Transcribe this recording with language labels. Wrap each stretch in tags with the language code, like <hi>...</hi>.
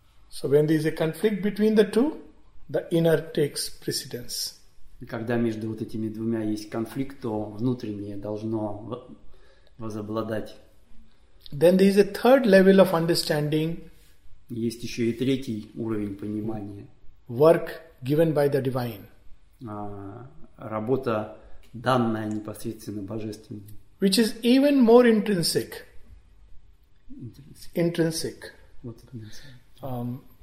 <en>So when there is a conflict between the two, the inner takes precedence.</en> <ru>Когда между вот этими двумя есть конфликт, то внутреннее должно возобладать.</ru> <en>Then there is a third level of understanding.</en> <ru>Есть еще и третий уровень понимания.</ru> <en>Work given by the divine.</en> <ru>Работа, данная непосредственно божественной.</ru> <en>Which is even more intrinsic. Intrinsic.</en> <ru>Вот это называется.</ru>